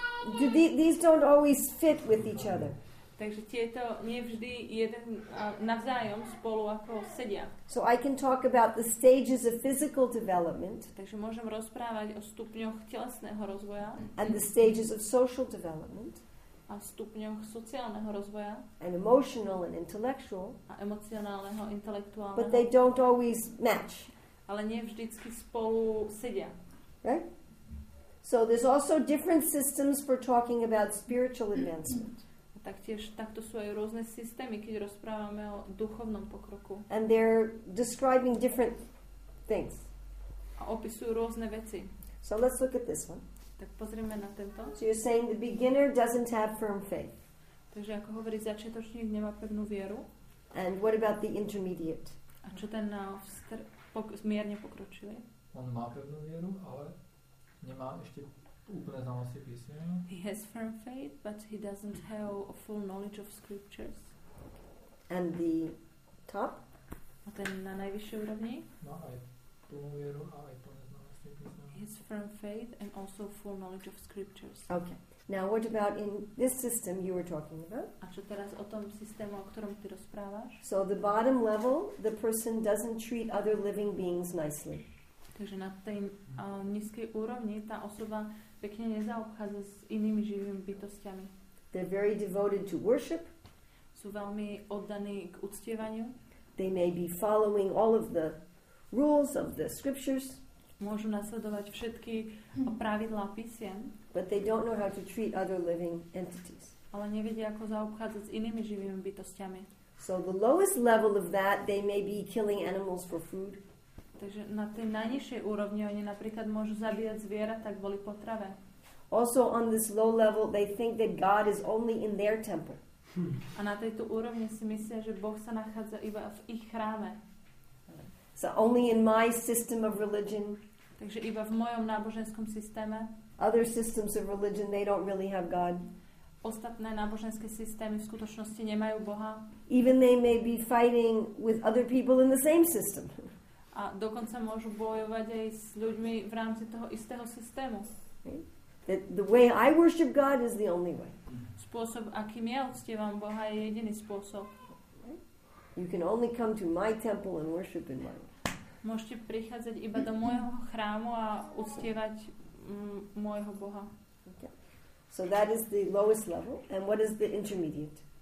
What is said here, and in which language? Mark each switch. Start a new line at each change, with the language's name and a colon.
English: these don't always fit with each other.
Slovak: Takže tieto nie vždy jeden navzájom spolu ako sedia.
English: So I can talk about the stages of physical development.
Slovak: Takže môžem rozprávať o stupňoch telesného rozvoja.
English: And the stages of social development.
Slovak: A stupňoch sociálneho rozvoja.
English: And emotional and intellectual.
Slovak: A emocionálneho, intelektuálneho.
English: But they don't always match.
Slovak: Ale nie vždycky spolu sedia.
English: Right? So there's also different systems for talking about spiritual advancement.
Slovak: Taktiež takto sú aj rôzne systémy, keď rozprávame o duchovnom pokroku.
English: And they're describing different things.
Slovak: A opisujú rôzne veci.
English: So let's look at this one.
Slovak: Tak pozrieme na tento.
English: So you're saying the beginner doesn't have firm faith.
Slovak: Takže ako hovorí začiatočník, nemá pevnú vieru.
English: And what about the intermediate?
Slovak: A čo ten mierne pokročilý? On má pevnú vieru, ale nemá ešte úplne znalosti písma.
English: He has firm faith, but he doesn't have a full knowledge of scriptures. And the top?
Slovak: A ten na najvyššej úrovni? Má aj plnú vieru, ale aj plné znalosti písma.
English: He has firm faith and also full knowledge of scriptures. Okay. Now what about in this system you were talking about?
Slovak: A čo teraz o tom systému, o ktorom ty rozprávaš?
English: So the bottom level, the person doesn't treat other living beings nicely.
Slovak: Takže na tej nízkej úrovni tá osoba pekne nezaobchádza s inými živými bytostiami.
English: They're very devoted to worship.
Slovak: Sú veľmi oddaní k uctievaniu.
English: They may be following all of the rules of the scriptures.
Slovak: Môžu nasledovať všetky pravidlá písiem.
English: But they don't know how to treat other living entities.
Slovak: Ale nevedia, ako zaobchádzať s inými živými bytostiami.
English: So the lowest level of that, they may be killing animals for food.
Slovak: Takže na tej najnižšej úrovni oni napríklad môžu zabíjať zvieratá kvôli potrave.
English: Also on this low level they think that God is only in their temple.
Slovak: A na tejto úrovni si myslia, že Boh sa nachádza iba v ich chráme.
English: So only in my system of religion.
Slovak: Takže iba v mojom náboženskom systéme.
English: Other systems of religion they don't really have God.
Slovak: Ostatné náboženské systémy v skutočnosti nemajú Boha.
English: Even they may be fighting with other people in the same system.
Slovak: A dokonca môžu bojovať aj s ľuďmi v rámci toho istého systému.
English: The way I worship God is the only way.
Slovak: Spôsob, akým ja uctievam Boha, je jediný spôsob.
English: You can only come to my temple and worship in my.
Slovak: Môžete prichádzať iba do môjho chrámu a uctievať môjho Boha.
English: So that is the lowest level. And what is the intermediate?